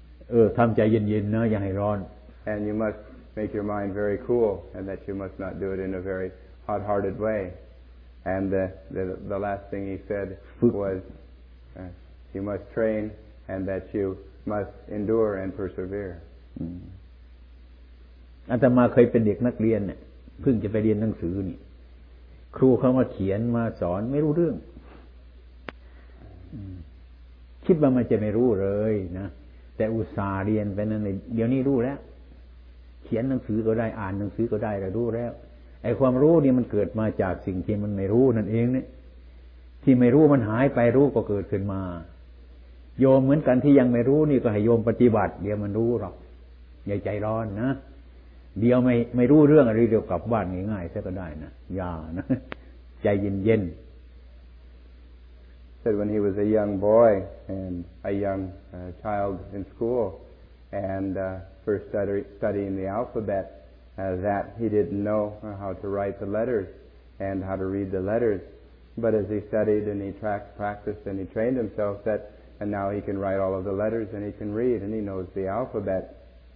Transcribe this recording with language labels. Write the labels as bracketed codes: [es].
[en] And you must make your mind very cool, and that you must not do it in a very hot-hearted way. And the last thing he said was, you must train, and that you must endure and persevere. [th] อาตมาเคยเป็นเด็กนักเรียนเนี่ยเพิ่งจะไปเรียนหนังสือนี่ครูเขามาเขียนมาสอนไม่รู้เรื่องคิดว่ามันจะไม่รู้เลยนะแต่อุตส่าห์เรียนไปนั่นเดี๋ยวนี้รู้แล้วเขียนหนังสือก็ได้อ่านหนังสือก็ได้แล้วรู้แล้วไอ้ความรู้นี่มันเกิดมาจากสิ่งที่มันไม่รู้นั่นเองเนี่ยที่ไม่รู้มันหายไปรู้ก็เกิดขึ้นมา โยมเหมือนกันที่ยังไม่รู้นี่ก็ให้โยมปฏิบัติเดี๋ยวมันรู้หรอกอย่าใจร้อนนะเดี๋ยวไม่รู้เรื่องอะไรเดียวกับบ้านง่ายๆซะก็ได้นะอย่านะใจเย็น [en] ๆ said when he was a young boy and a young child in school and first studying the alphabetthat he didn't know how to write the letters and how to read the letters. But as he studied and he practiced and he trained himself, that and now he can write all of the letters and he can read and he knows the alphabet.